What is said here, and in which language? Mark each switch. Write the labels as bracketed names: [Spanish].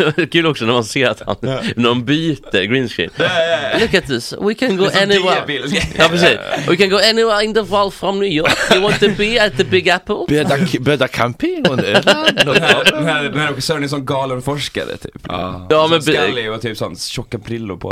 [Swedish] Kul också när man ser att han, när han byter green screen. [English] Look at this. We can go anywhere. [Swedish] Ja, precis. [English] We can go anywhere in the world from New York. You want to be at the Big Apple? [Swedish] Böda camping. Den här regissören är som galen forskare typ. Ja, som men skallig och typ sånt tjocka prillor på.